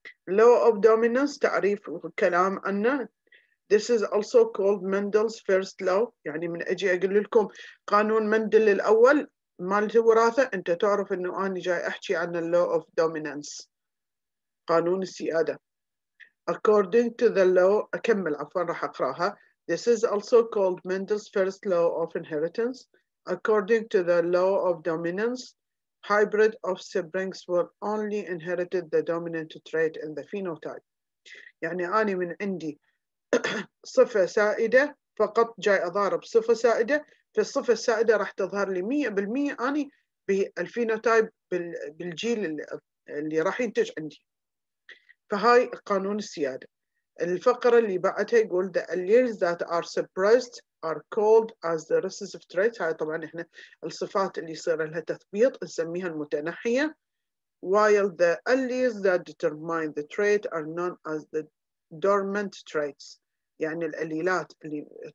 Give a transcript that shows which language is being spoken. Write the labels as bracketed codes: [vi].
[ar] Law of Dominance تعريف وكلام عنه، [en] This is also called Mendel's first law، [ar] يعني من أجي أقول لكم قانون مندل الأول مال الوراثة أنت تعرف أنه أنا جاي أحكي عن Law of Dominance قانون السيادة. [en] According to the law [ar] أكمل عفوا راح أقراها، [en] This is also called Mendel's first law of inheritance. According to the law of dominance, hybrid offsprings will only inherit the dominant trait in the phenotype. [ar] يعني أنا من عندي صفة سائدة فقط جاي أضارب صفة سائدة، فالصفة السائدة راح تظهر لي 100% أنا بالفينوتايب بالجيل اللي راح ينتج عندي. فهاي قانون السيادة. الفقرة اللي بعدها يقول [en] the alleles that are suppressed are called as the recessive traits، [ar] هاي طبعا احنا الصفات اللي يصير لها تثبيط نسميها المتنحية، [en] while the alleles that determine the trait are known as the dormant traits، [ar] يعني الأليلات اللي